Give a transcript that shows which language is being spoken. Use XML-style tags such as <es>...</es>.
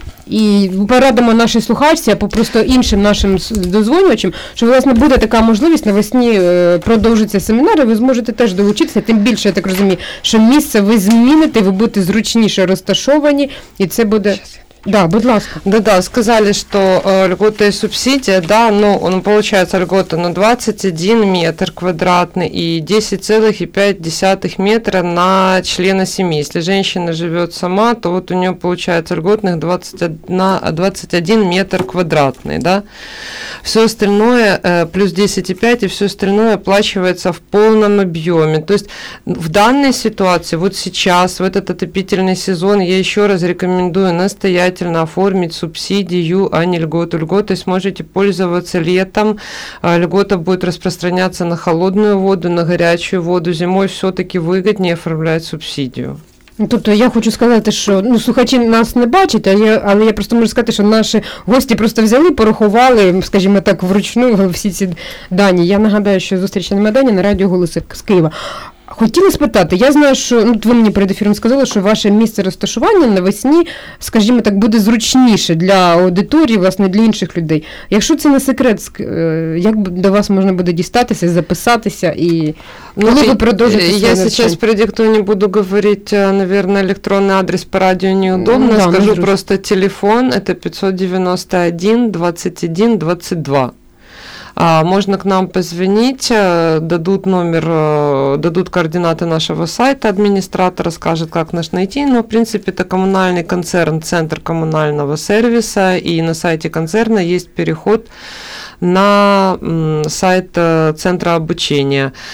<uk>І порадимо нашій слухачці, або просто іншим нашим дозвонювачам, що, власне, буде така можливість, навесні продовжиться семінар, і ви зможете теж долучитися, тим більше, я так розумію, що місце ви зміните, ви будете зручніше розташовані, і це буде…</uk> <ru>Да,</ru> <uk>будь ласка.</uk> <ru>Да, сказали, что льгота и субсидия, да, ну, он получается льгота на 21 метр квадратный и 10,5 метра на члена семьи. Если женщина живет сама, то вот у нее получается льготных 21 метр квадратный, да. Все остальное плюс 10,5 и все остальное оплачивается в полном объеме. То есть в данной ситуации, вот сейчас, в этот отопительный сезон, я еще раз рекомендую настоять оформить субсидию, а не льготу. Льготы сможете пользоваться летом, льгота будет распространяться на холодную воду, на горячую воду. Зимой все-таки выгоднее оформлять субсидию.</ru> <uk>Тобто я хочу сказати, що слухачі нас не бачать, але я просто можу сказати, що наші гості просто взяли, порахували, скажімо так, вручну всі ці дані. Я нагадаю, що зустріч на Майдані на радіо «Голоси» з Києва. Хотіла спитати, я знаю, що ви мені перед ефіром сказали, що ваше місце розташування навесні, скажімо так, буде зручніше для аудиторії, власне, для інших людей. Якщо це не секрет, як до вас можна буде дістатися, записатися і коли ви продовжите своє навчання? Я зараз перед як не буду говорити,</uk> <ru>наверное,</ru> <uk>електронний адрес по радіо неудобно, да, скажу не просто телефон, це 591-21-22.</uk> <ru>А можно к нам позвонить, дадут номер, дадут координаты нашего сайта, администратор расскажет, как нас найти. Но, в принципе, это коммунальный концерн, центр коммунального сервиса, и на сайте концерна есть переход на сайт центра обучения.</ru>